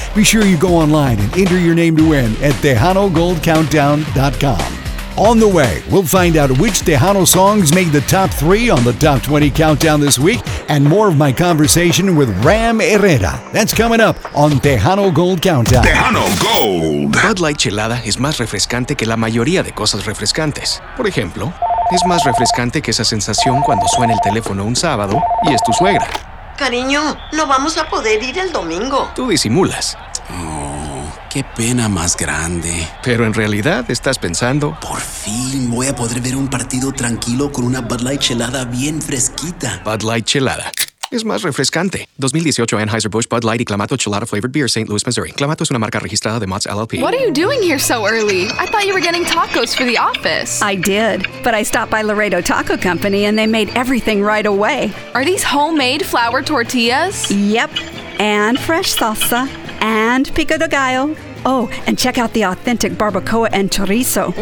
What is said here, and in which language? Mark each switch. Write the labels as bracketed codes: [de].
[en] Be sure you go online and enter your name to win at TejanoGoldCountdown.com. On the way, we'll find out which Tejano songs made the top 3 on the Top 20 Countdown this week, and more of my conversation with Ram Herrera. That's coming up on Tejano Gold Countdown. Tejano Gold! [es] Bud Light Chelada es más refrescante que la mayoría de cosas refrescantes. Por ejemplo, es más refrescante que esa sensación cuando suena el teléfono un sábado y es tu suegra. Cariño, no vamos a poder ir el domingo. Tú disimulas. Oh, qué pena más grande. Pero en realidad estás pensando... Por fin voy a poder ver un partido tranquilo con una Bud Light Chelada bien fresquita. Bud Light Chelada. Es más refrescante. 2018 Anheuser-Busch Bud Light y Clamato Chelada Flavored Beer, St. Louis, Missouri. Clamato es una marca registrada de Mott's LLP. [en] What are you doing here so early? I thought you were getting tacos for the office. I did, but I stopped by Laredo Taco Company and they made everything right away. Are these homemade flour tortillas? Yep, and fresh salsa, and pico de gallo. Oh, and check out the authentic barbacoa and chorizo.